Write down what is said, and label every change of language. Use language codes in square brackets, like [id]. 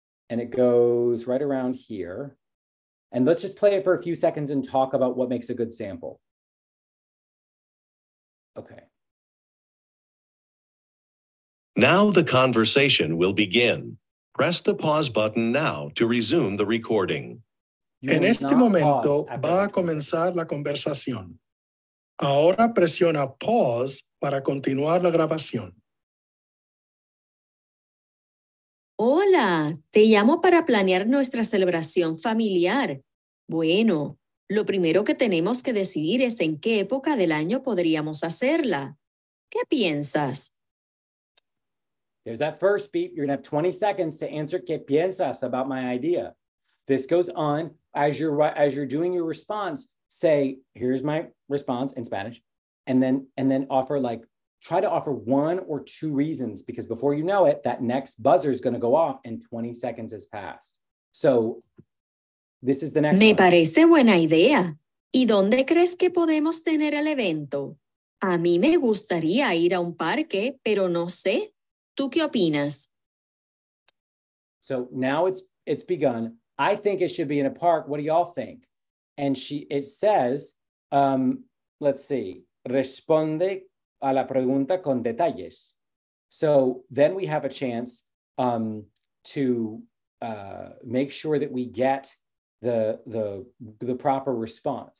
[en] And it goes right around here. And let's just play it for a few seconds and talk about what makes a good sample. Okay. Now the conversation will begin. Press the pause button now to resume the recording. [es] En este momento va a comenzar la conversación. Ahora presiona pause para continuar la grabación. Hola, te llamo para planear nuestra celebración familiar. Bueno, lo primero que tenemos que decidir es en qué época del año podríamos hacerla. ¿Qué piensas? [en] There's that first beep. You're going to have 20 seconds to answer [es] qué piensas [en] about my idea. This goes on. As you're doing your response, say, here's my response in Spanish, and then offer, like, try to offer one or two reasons, because before you know it, that next buzzer is going to go off and 20 seconds has passed. So this is the next [es] one. Me parece buena idea. ¿Y dónde crees que podemos tener el evento? A mí me gustaría ir a un parque, pero no sé. ¿Tú qué opinas? [en] So now it's begun. I think it should be in a park. What do y'all think? And it says, let's see, [es] responde a la pregunta con detalles. [en] So then we have a chance to make sure that we get the proper response.